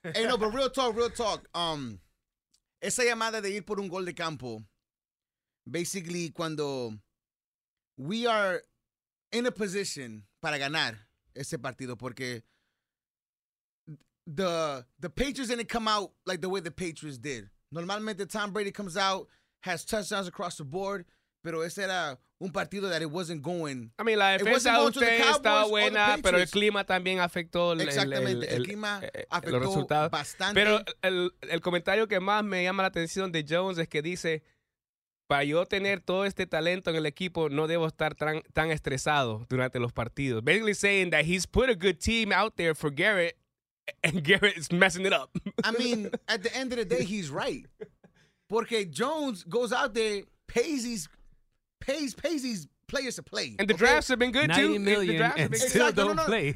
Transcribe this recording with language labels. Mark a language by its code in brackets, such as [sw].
[en] Hey, no, but real talk. [es] Esa llamada de ir por un gol de campo, [en] basically, [es] cuando [en] we are in a position [es] para ganar ese partido, porque [en] the Patriots didn't come out like the way the Patriots did. [es] Normalmente, [en] Tom Brady comes out, has touchdowns across the board, [es] pero ese era un partido [en] that it wasn't going. I mean, [es] la defensa de usted estaba buena, pero el clima también afectó. Exactamente, el clima afectó bastante. Pero el comentario que más me llama la atención de Jones es que dice, para yo tener todo este talento en el equipo, no debo estar tan estresado durante los partidos. [en] Basically saying that he's put a good team out there for Garrett, and Garrett is messing it up. I mean, at the end of the day, he's right. [es] Porque [en] Jones goes out there, pays these players to play. And the drafts have been good, too. $90 million and still don't play.